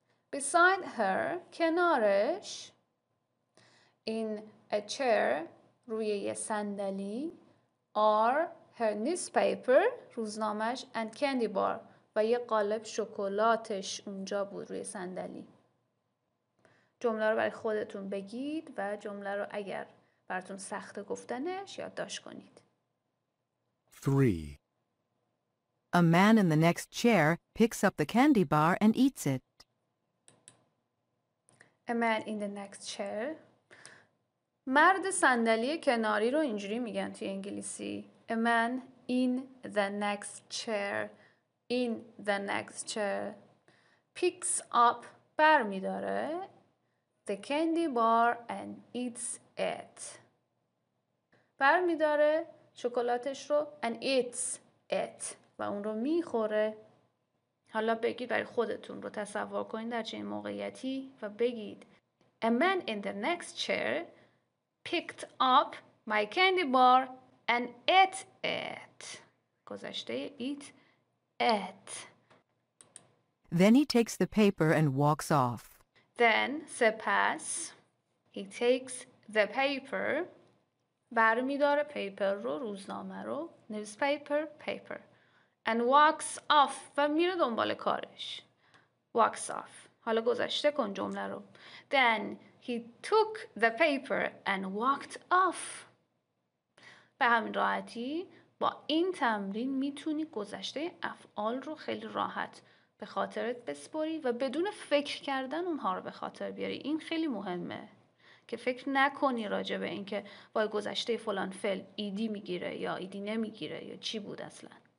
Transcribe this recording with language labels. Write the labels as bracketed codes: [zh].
[en] Beside her, [fa] کنارش, [en] in a chair, [fa] روی یه صندلی, [en] are her newspaper, [fa] روزنامه‌اش, [en] and candy bar, [fa] و یه قالب شکلاتش اونجا بود روی صندلی. جمله رو برای خودتون بگید و جمله رو اگر براتون سخت گفتنش یادداشت کنید. 3. [en] A man in the next chair picks up the candy bar and eats it. A man in the next chair. [fa] مرد صندلی کناری رو اینجوری میگن توی انگلیسی. [en] A man in the next chair. In the next chair. Picks up [fa] برمیداره. [en] The candy bar and eats it. [fa] برمیداره شکلاتش رو [en] and eats it. [fa] و اون رو میخوره. حالا بگید برای خودتون رو تصور کنید در چه موقعیتی و بگید [en] A man in the next chair picked up my candy bar and ate it. [fa] گذشته [en] eat it. Then he takes the paper and walks off. Then, [fa] سپس, [en] he takes the paper. [fa] برمیداره paper رو, روزنامه رو, newspaper, paper. [en] And walks off [fa] و میره دنبال کارش. [en] Walks off. [fa] حالا گذشته کن جمله رو. [en] Then he took the paper and walked off. [fa] به همین راحتی با این تمرین میتونی گذشته افعال رو خیلی راحت به خاطرت بسپاری و بدون فکر کردن اونها رو به خاطر بیاری. این خیلی مهمه که فکر نکنی راجع به این که با گذشته فلان فعل ایدی میگیره یا ایدی نمیگیره یا چی بود اصلا.